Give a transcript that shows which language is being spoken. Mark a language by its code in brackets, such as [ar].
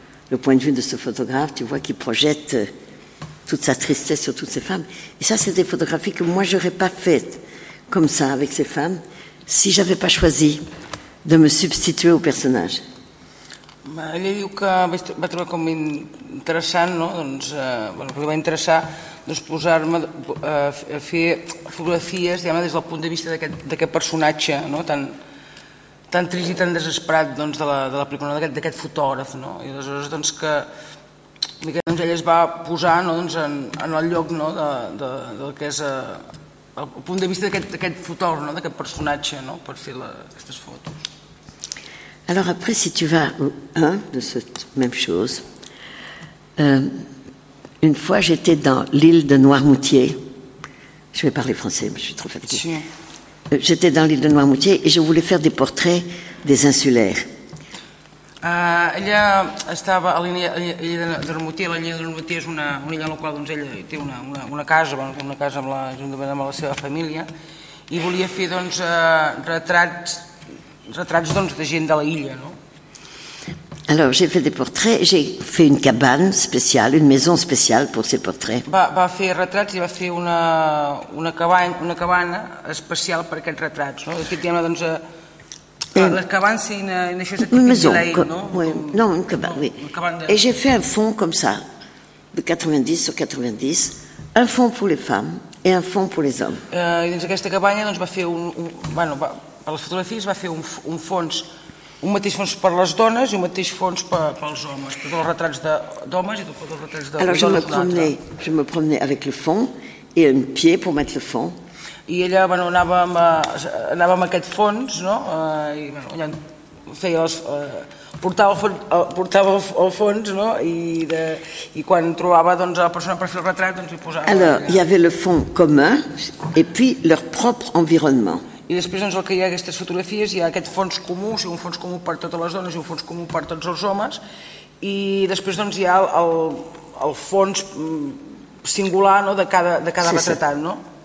[fr] Le point de vue de ce photographe, tu vois, qui projette toute sa tristesse sur toutes ces femmes. Et ça, c'est des photographies que moi, je n'aurais pas faites comme ça avec ces femmes si je n'avais pas choisi de me substituer au personnage. Elle a dit que va trouver comme intéressant, non? [ca] Doncs, bueno, perquè va intéressar doncs, posar-me a fer fotografies, diguem-ne, des del punt de vista d'aquest personatge, no? Tan trist i tan desesperat doncs, de la pel·lícula, d'aquest fotògraf, no? I aleshores, doncs, que doncs ell es va posar no, doncs en el lloc no, del que és el punt de vista d'aquest fotògraf, no, d'aquest personatge no, per fer aquestes fotos. [fr] Alors après, si tu vas hein, de cette même chose, une fois j'étais dans l'île de Noirmoutier, je vais parler français, mais je suis trop fatiguée. [ca] Si. [fr] J'étais dans l'île de Noirmoutier et je voulais faire des portraits des insulaires. [ca] Ella estava a l'illa de Noirmoutier. L'illa de Noirmoutier és una illa en la qual doncs, ella té una casa, bueno, una casa amb juntament amb la seva família, i volia fer doncs, retrats doncs, de gent de la illa. No? [fr] Alors, j'ai fait des portraits, j'ai fait une cabane spéciale, une maison spéciale pour ces portraits. [ca] Va faire retrats i va fer una cabana especial per aquests retrats, no? Aquest tema, doncs, les cabanes, [fr] c'est une chose que tu dis là, no? Oui. Non, une cabane, oui. Et j'ai fait un fond comme ça, de 90 sur 90, un fond pour les femmes et un fond pour les hommes. [ca] I dins aquesta cabana, doncs, va fer per les fotografies va fer un fons... Un mateix fons per les dones i un mateix fons pels homes. Tots els retrats d'homes i tots els retrats de dones. [fr] Alors je me promenais avec le fond et un pied pour mettre le fond. [ca] I ella, bueno, anava amb aquest fons, no? I, bueno, feia els, portava el fons, no? I quan trobava, doncs, la persona per fer el retrat, doncs, hi posava... [fr] Alors, [ca] hi havia [fr] le fond comú et puis leur propre environnement. [ca] I després, doncs, el que hi ha aquestes fotografies, hi ha aquest fons comú, o sigui, un fons comú per totes les dones i un fons comú per tots els homes, i després, doncs, hi ha el fons singular, no?, de cada retratant, no?